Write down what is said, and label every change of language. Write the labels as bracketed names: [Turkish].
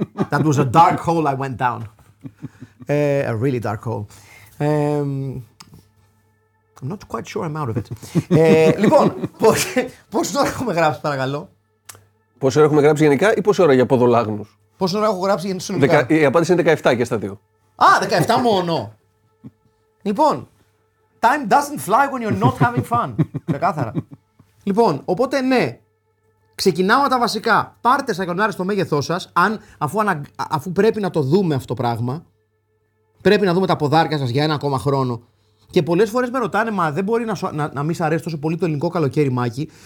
[English] That was a dark hole I went down. A really dark hole. I'm not quite sure I'm out of it. [Greek] Λοιπόν, πόση ώρα έχουμε γράψει, παρακαλώ. Πόση ώρα έχουμε γράψει γενικά ή πόση ώρα για ποδολάγνους. Πόση ώρα έχω γράψει γενικά. Η απάντηση είναι 17 και στα δύο. Α, 17 μόνο. Λοιπόν, [English] time doesn't fly when you're not having fun. [Greek] Ξεκάθαρα. Λοιπόν, οπότε ναι, ξεκινάω με τα βασικά. Πάρτε σαγιονάρες στο μέγεθό σας, αφού πρέπει να το δούμε αυτό το πράγμα. Πρέπει να δούμε τα ποδάρια σας για ένα ακόμα χρόνο. Και πολλές φορές με ρωτάνε, μα δεν μπορεί να μη σ' αρέσει τόσο πολύ το ελληνικό καλοκαίρι, Μάκη.